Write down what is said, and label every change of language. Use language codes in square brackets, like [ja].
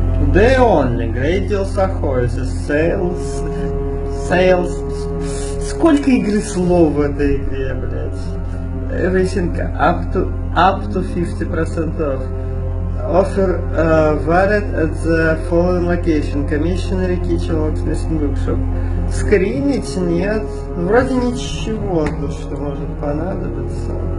[en] The only great deal Sahoy is sales. Sales. [ru] Сколько игры слов в этой игре, блядь? [en] Everything up to 50% off. Offer valid at the following location. Commissionary kitchen locksmith workshop. [ru] Скринить нет. Вроде ничего, то что может понадобиться.